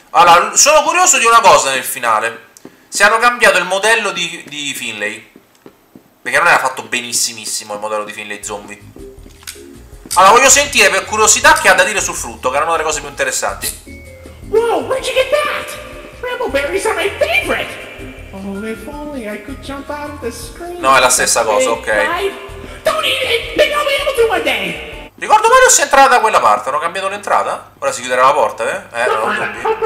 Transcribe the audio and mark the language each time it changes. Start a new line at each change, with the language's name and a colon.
Italian: Allora, sono curioso di una cosa nel finale. Se hanno cambiato il modello di Finlay. Perché non era fatto benissimissimo il modello di Finlay Zombie. Allora, voglio sentire per curiosità che ha da dire sul frutto, che era una delle cose più interessanti.
English: Wow, where'd you get that? Brambleberries are my favorite! Oh, if only I could jump out of the screen.
Italian: No, è la stessa cosa, ok.
English: Don't eat it! Maybe I'll be able to one day!
Italian: Ricordo male o si è entrata da quella parte? Hanno cambiato l'entrata? Ora si chiuderà la porta, eh? Non ho dubbi.